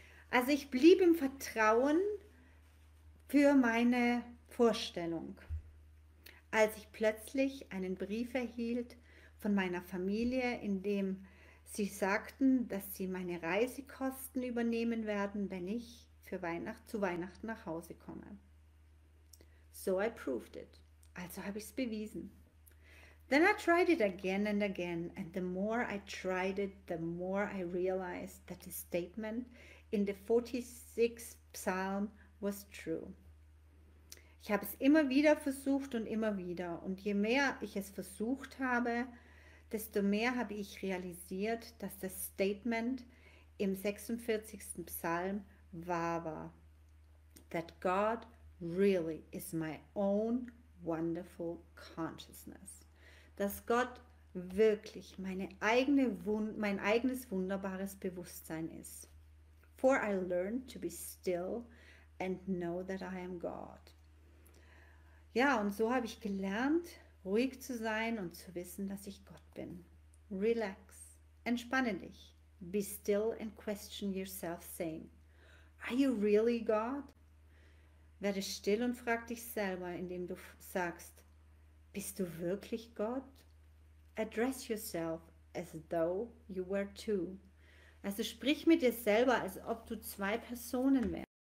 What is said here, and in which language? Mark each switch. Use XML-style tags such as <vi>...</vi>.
<de>Also ich blieb im Vertrauen für meine Vorstellung, als ich plötzlich einen Brief erhielt von meiner Familie, in dem sie sagten, dass sie meine Reisekosten übernehmen werden, wenn ich zu Weihnachten nach Hause komme.</de> <en>So I proved it.</en> <de>Also habe ich es bewiesen.</de> <en>Then I tried it again, and the more I tried it, the more I realized that the statement in the 46th Psalm was true.</en> <de>Ich habe es immer wieder versucht und immer wieder. Und je mehr ich es versucht habe, desto mehr habe ich realisiert, dass das Statement im 46. Psalm wahr war.</de> <en>That God really is my own wonderful consciousness.</en> <de>Dass Gott wirklich mein eigenes wunderbares Bewusstsein ist.</de> <en>For I learned to be still and know that I am God.</en> <de>Ja, und so habe ich gelernt, ruhig zu sein und zu wissen, dass ich Gott bin. Relax, entspanne dich.</de> <en>Be still and question yourself, saying, are you really God?</en> <de>Werde still und frag dich selber, indem du sagst, bist du wirklich Gott?</de> <en>Address yourself as though you were two.</en> <de>Also sprich mit dir selber, als ob du zwei Personen wärst.</de>